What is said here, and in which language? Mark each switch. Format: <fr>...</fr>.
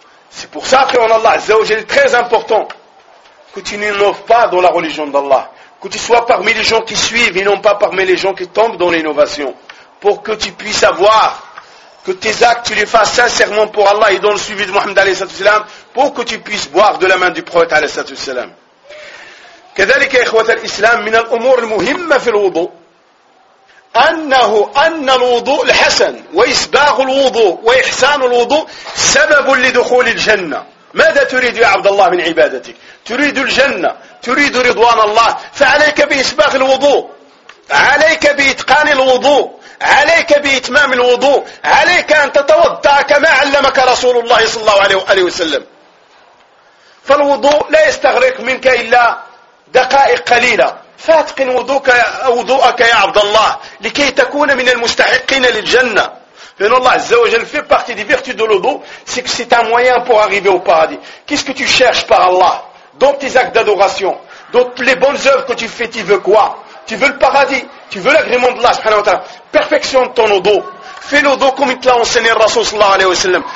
<fr>C'est pour ça que Allah est très important que tu n'innoves pas dans la religion d'Allah, que tu sois parmi les gens qui suivent et non pas parmi les gens qui tombent dans l'innovation, pour que tu puisses avoir que tes actes tu les fasses sincèrement pour Allah et dans le suivi de Mohammed alayhi salatu salam, pour que tu puisses boire de la main du prophète alayhi salatu salam.</fr> <ar>كذلك إخوة الإسلام من الأمور المهمة في الوضوء أنه أن الوضوء الحسن وإسباغ الوضوء وإحسان الوضوء سبب لدخول الجنة. ماذا تريد يا عبد الله من عبادتك؟ تريد الجنة، تريد رضوان الله، فعليك بإسباغ الوضوء، عليك بإتقان الوضوء، عليك بإتمام الوضوء، عليك أن تتوضأ كما علمك رسول الله صلى الله عليه وسلم. فالوضوء لا يستغرق منك إلا دقائق قليلة، فاتقن وضوءك يا عبد الله لكي تكون من المستحقين للجنة.</ar> <fr>Et Allah Azza wa Jal fait partie des vertus de l'Odo, c'est que c'est un moyen pour arriver au paradis. Qu'est-ce que tu cherches par Allah? Dans tes actes d'adoration, dans les bonnes œuvres que tu fais, tu veux quoi? Tu veux le paradis? Tu veux l'agrément de Allah? Perfectionne ton Odo. Fais l'Odo comme il te l'a enseigné le Rasoul sallallahu alayhi wa sallam.</fr>